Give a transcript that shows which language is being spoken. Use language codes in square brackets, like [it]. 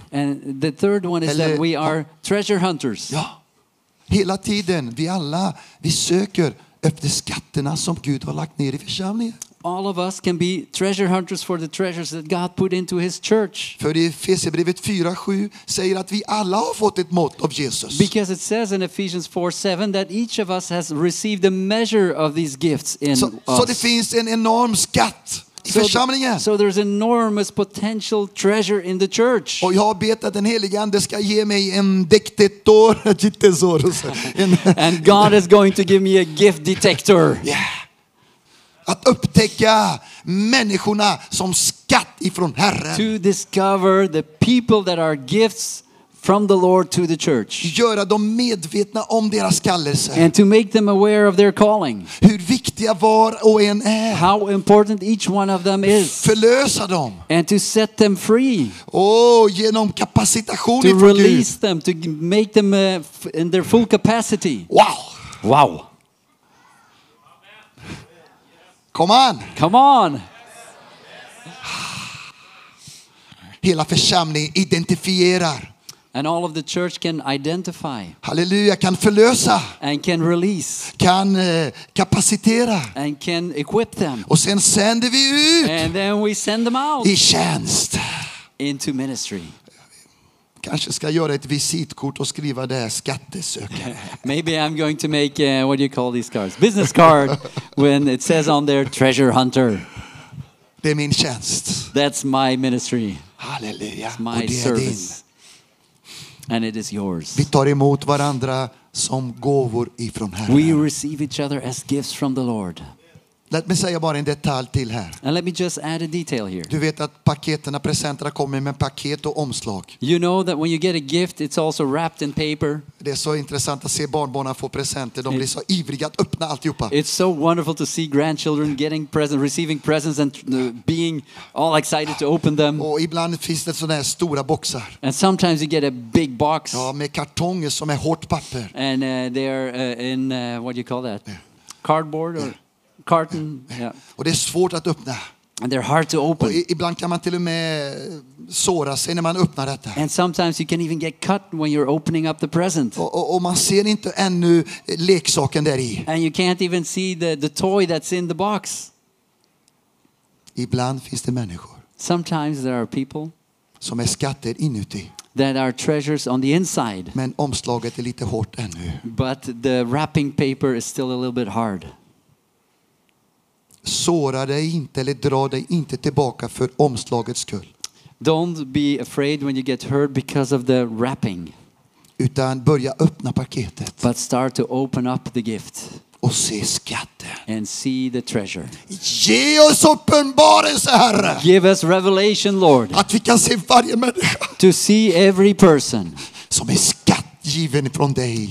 [en] And the third one is that we are treasure hunters. [sv] Ja. Hela tiden, vi alla, vi söker efter skatterna som Gud har lagt ner i församlingen. [en] All of us can be treasure hunters for the treasures that God put into his church. [sv] För i Efesierbrevet 4:7 säger att vi alla har fått ett mått av Jesus. [en] Because it says in Ephesians 4:7 that each of us has received a measure of these gifts in us. [sv] Så det finns en enorm skatt i församlingen. [en] So there's enormous potential treasure in the church. [sv] Och jag bet att den helige ande ska ge mig en detektor, detektor. [en] And God is going to give me a gift detector. Yeah. [sv] Att upptäcka människorna som skatt ifrån Herren. [en] To discover the people that are gifts from the Lord to the church. [sv] Göra dem medvetna om deras kallelse. [en] And to make them aware of their calling. [sv] Hur viktiga var och en är. [en] How important each one of them is. [sv] Förlösa dem. [en] And to set them free. [sv] Oh, genom kapacitation ifrån Gud. [en] To release them, to make them in their full capacity. Wow. Wow. Come on. Come on. [sv] hela församlingen identifierar. [en] And all of the church can identify. [sv] Halleluja, kan förlösa. [en] And can release. [sv] Kan kapacitera. [en] And can equip them. [sv] Och sen sänder vi ut. [en] And then we send them out. [sv] I tjänst. [en] Into ministry. [sv] Kanske ska jag göra ett visitkort och skriva det här skattesökare. [en] Maybe I'm going to make what do you call these cards? Business card when it says on there treasure hunter. [sv] Det är min tjänst. [en] That's my ministry. [sv] Halleluja. [en] It's my service. And it is yours. [sv] Vi tar emot varandra som gåvor ifrån Herren. [en] We receive each other as gifts from the Lord. [sv] Låt mig säga bara en detalj till här. [en] And let me just add a detail here. [sv] Du vet att paketerna presenterna kommer med paket och omslag. [en] You know that when you get a gift it's also wrapped in paper. [sv] Det är så intressant att se barnbarnen få presenter. De blir så ivriga att öppna alltihopa. [en] It's so wonderful to see grandchildren getting presents, receiving presents and being all excited to open them. [sv] Och ibland finns det såna här stora boxar. [en] And sometimes you get a big box. [sv] Ja, med kartonger som är hårt papper. [en] And they're in what do you call that? Cardboard or carton, yeah. [sv] Och det är svårt att öppna. [en] And they're hard to open. [sv] Och ibland kan man till och med såra sig när man öppnar detta. [en] And sometimes you can even get cut when you're opening up the present. [sv] Och man ser inte ännu leksaken där i. [en] And you can't even see the toy that's in the box. [sv] Ibland finns det människor. [en] Sometimes there are people [sv] som är skatter inuti. [en] That are treasures on the inside. [sv] Men omslaget är lite hårt ännu. [en] But the wrapping paper is still a little bit hard. [sv] Såra dig inte eller dra dig inte tillbaka för omslagets skull. [en] Don't be afraid when you get hurt because of the wrapping. [sv] Utan börja öppna paketet. [en] But start to open up the gift. [sv] Och se skatten. [en] And see the treasure. [sv] Ge oss uppenbarelse, Herre. [en] Give us revelation, Lord. [sv] Att vi kan se varje människa. [en] To see every person. [sv] Som är skattgiven från dig.